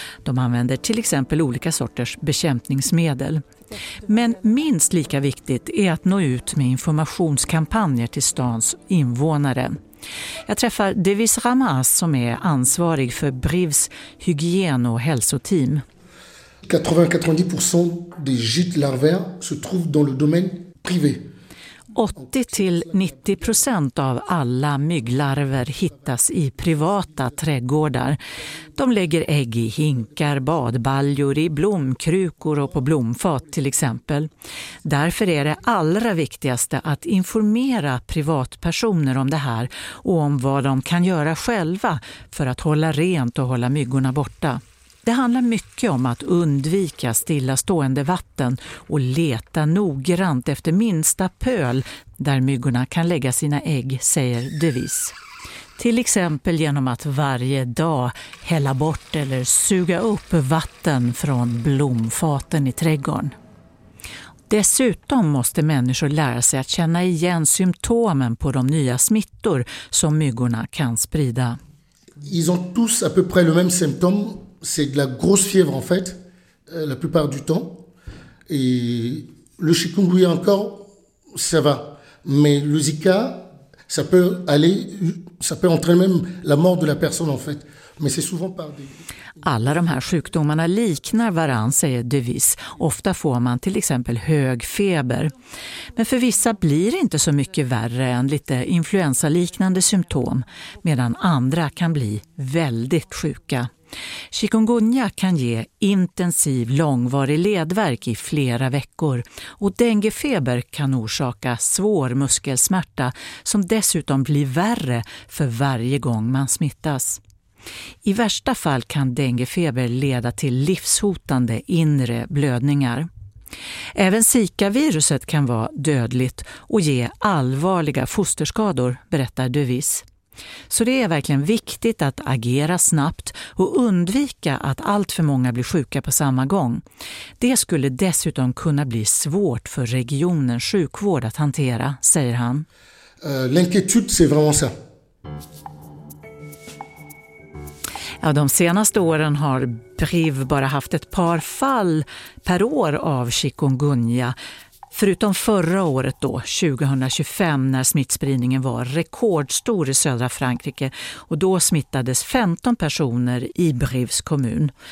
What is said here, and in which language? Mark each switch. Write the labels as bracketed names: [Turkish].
[Swedish] De använder till exempel olika sorters bekämpningsmedel. Men minst lika viktigt är att nå ut med informationskampanjer till stans invånare. Jag träffar Devis Ramas som är ansvarig för Brives hygien- och hälsoteam. [French] 80-90% des gîtes larvaires se trouvent dans le domaine privé. [Swedish] 80-90% av alla mygglarver hittas i privata trädgårdar. De lägger ägg i hinkar, badbaljor, i blomkrukor och på blomfat till exempel. Därför är det allra viktigaste att informera privatpersoner om det här och om vad de kan göra själva för att hålla rent och hålla myggorna borta. Det handlar mycket om att undvika stillastående vatten och leta noggrant efter minsta pöl där myggorna kan lägga sina ägg, säger Devis. Till exempel genom att varje dag hälla bort eller suga upp vatten från blomfaten i trädgården. Dessutom måste människor lära sig att känna igen symptomen på de nya smittor som myggorna kan sprida. [French] Ils ont tous à peu près le même symptôme. C'est de la grosse fièvre en fait, la plupart du temps. Et le chikungunya encore, ça va. Mais le Zika, ça peut entraîner même la mort de la personne en fait. Mais c'est souvent par des... [Swedish] Alla de här sjukdomarna liknar varann, säger Devis. Ofta får man till exempel hög feber. Men för vissa blir det inte så mycket värre än lite influensaliknande symptom, medan andra kan bli väldigt sjuka. Chikungunya kan ge intensiv långvarig ledvärk i flera veckor, och denguefeber kan orsaka svår muskelsmärta som dessutom blir värre för varje gång man smittas. I värsta fall kan denguefeber leda till livshotande inre blödningar. Även Zika-viruset kan vara dödligt och ge allvarliga fosterskador, berättar Devis. Så det är verkligen viktigt att agera snabbt och undvika att allt för många blir sjuka på samma gång. Det skulle dessutom kunna bli svårt för regionens sjukvård att hantera, säger han. [French] L'inquiétude, c'est vraiment ça. [Swedish] Ja, de senaste åren har Brive bara haft ett par fall per år av chikungunya. Förutom förra året då, 2025, när smittspridningen var rekordstor i södra Frankrike, och då smittades 15 personer i Brives kommun.